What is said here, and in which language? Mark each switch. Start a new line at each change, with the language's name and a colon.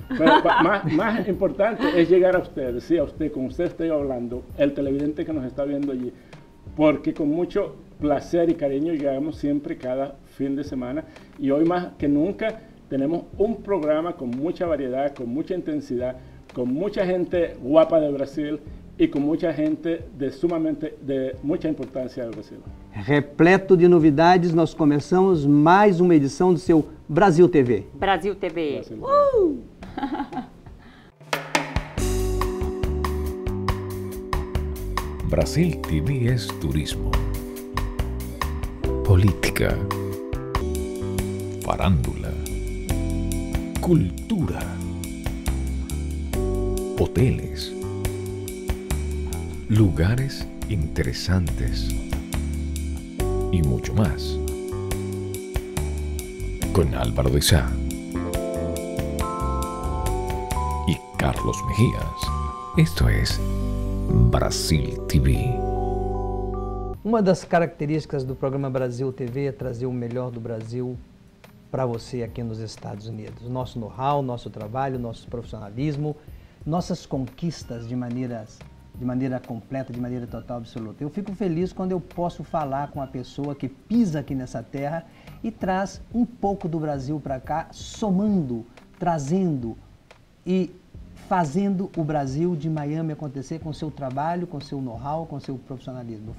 Spanish: Pero más importante es llegar a ustedes, sí, a usted, con usted estoy hablando, el televidente que nos está viendo allí, porque con mucho placer y cariño llegamos siempre cada fin de semana, y hoy más que nunca tenemos un programa con mucha variedad, con mucha intensidad, con mucha gente guapa de Brasil y con mucha gente de sumamente, de mucha importancia de Brasil.
Portuguese: Repleto de novidades, nós começamos mais uma edição do seu Brasil TV. Brasil TV.
Spanish: Brasil TV es turismo, política, farándula, cultura, hoteles, lugares interesantes. y mucho más. Con Álvaro de Sá y Carlos Mejías, esto es Brasil TV.
Portuguese: Uma das características do programa Brasil TV é trazer o melhor do Brasil para você aqui nos Estados Unidos. Nosso know-how, nosso trabalho, nosso profissionalismo, nossas conquistas de maneira completa, de maneira total, absoluta. Eu fico feliz quando eu posso falar com a pessoa que pisa aqui nessa terra e traz um pouco do Brasil para cá, somando, trazendo e fazendo o Brasil de Miami acontecer com seu trabalho, com seu know-how, com seu profissionalismo.